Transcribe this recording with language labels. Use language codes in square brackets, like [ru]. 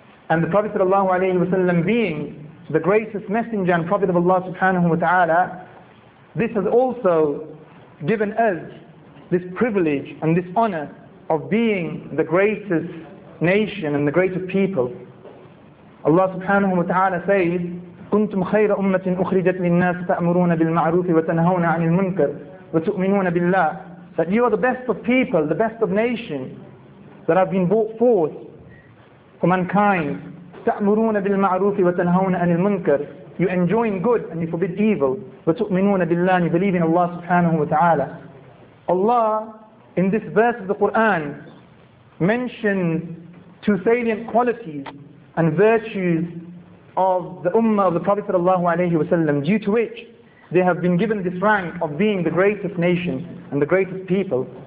[en] And the Prophet sallallahu alayhi wa sallam being the greatest messenger and Prophet of Allah subhanahu wa ta'ala, this has also given us this privilege and this honor of being the greatest nation and the greatest people. Allah subhanahu wa ta'ala says, [ar] كُنْتُمْ خَيْرَ أُمَّةٍ أُخْرِجَتْ لِلنَّاسِ تَأْمُرُونَ بِالْمَعْرُوفِ وَتَنَهَوْنَ عَنِ الْمُنْكَرِ وَتُؤْمِنُونَ بِاللَّهِ. [en] That you are the best of people, the best of nation that have been brought forth for mankind. [ar] تَأْمُرُونَ بِالْمَعْرُوفِ وَتَنَهَوْنَ عَنِ الْمُنْكَرِ. [en] You enjoin good and you forbid evil. [ar] وَتُؤْمِنُونَ بِاللَّهِ. [en] You believe in Allah subhanahu wa ta'ala. Allah, in this verse of the Qur'an, mentions two salient qualities and virtues of the Ummah of the Prophet sallallahu alayhi wa sallam, due to which they have been given this rank of being the greatest nation and the greatest people.